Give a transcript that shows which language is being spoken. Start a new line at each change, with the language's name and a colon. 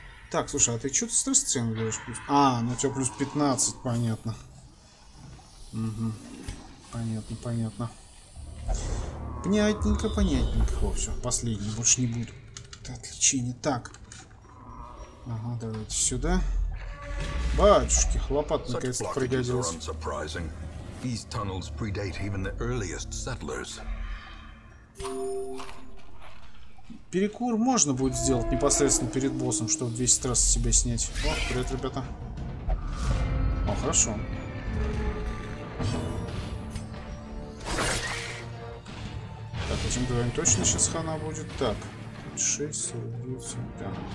Russian: Так, слушай, а ты что ты стресс цену делаешь? А, ну у тебя плюс 15, понятно. Угу. Понятно, понятно. Понятненько, понятненько. О, все, последний, больше не буду. Это отвлечение. Так. Ага, давайте сюда. Батюшки, лопата наконец-то пригодилась.
English: These tunnels predate even the earliest settlers.
Russian: Перекур можно будет сделать непосредственно перед боссом, чтобы 200 раз себя снять. О, привет, ребята. О, хорошо. Так, этим двоим точно сейчас хана будет. Так, 6, 7, 9, 7, 5.